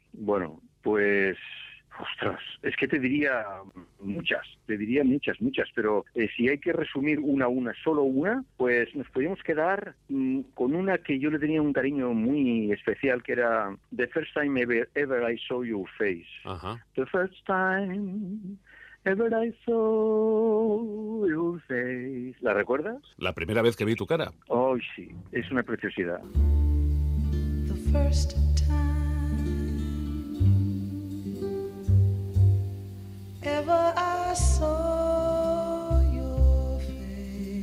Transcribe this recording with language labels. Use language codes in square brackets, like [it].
[es] Bueno, pues... Ostras, es que te diría muchas, pero si hay que resumir una, solo una, pues nos podríamos quedar con una que yo le tenía un cariño muy especial, que era The First Time Ever I Saw Your Face. Ajá. [en] The first time ever I saw your face. [es] ¿La recuerdas? La primera vez que vi tu cara. Oh, sí, es una preciosidad. [en] The first time ever I saw your face,